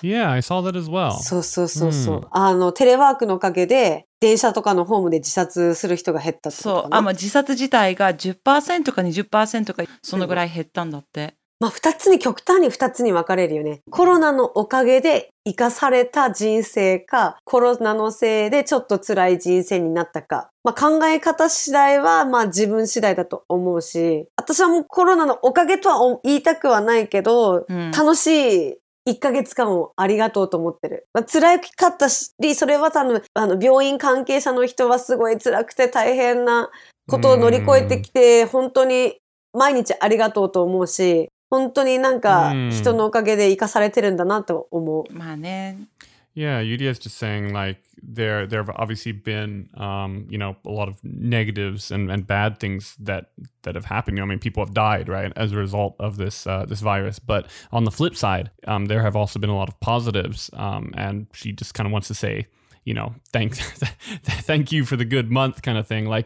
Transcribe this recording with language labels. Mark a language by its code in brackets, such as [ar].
[en] Yeah, I saw that as well. [ja] そうそうそうそう。あの、テレワークのおかげで電車とかのホームで自殺する人が減ったってことかな。そう、あ、まあ、自殺自体が 10% か 20% かそのぐらい減ったんだって。まあ、2つに極端に2つに分かれるよね。コロナのおかげで生かされた人生か、コロナのせいでちょっと辛い人生になったか。まあ、考え方次第は、まあ、自分次第だと思うし、私はもうコロナのおかげとは言いたくはないけど、うん、楽しい1ヶ月間をありがとうと思ってる。まあ、辛かったし、それは多分、あの病院関係者の人はすごい辛くて大変なことを乗り越えてきて、本当に毎日ありがとうと思うし、本当になんか人のおかげで生かされてるんだなと思う。まあね。 [en] Yeah, Yuria is just saying like there have obviously been you know a lot of negatives and bad things that have happened. You know, I mean, people have died right as a result of this this virus. But on the flip side, there have also been a lot of positives. And she just kind of wants to say, you know, thanks, thank you for the good month kind of thing.